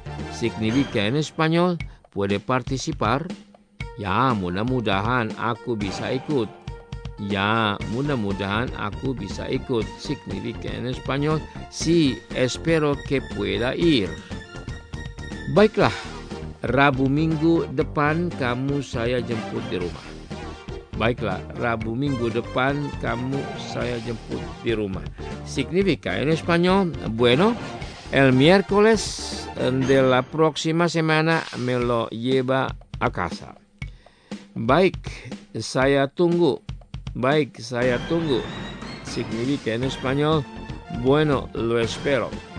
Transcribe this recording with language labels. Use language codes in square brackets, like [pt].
[es] Significa en español, ¿puede participar? [id] Ya, mudah-mudahan aku bisa ikut. Ya, mudah-mudahan aku bisa ikut. [es] Significa en español, sí, espero que pueda ir. [id] Baiklah, Rabu minggu depan kamu saya jemput di rumah. Baiklah, Rabu minggu depan kamu saya jemput di rumah. [es] Significa en español, bueno, el miércoles de la próxima semana me lo lleva a casa. [id] Baik, saya tunggu. Baik, saya tunggu. [es] Significa en español, bueno, lo espero.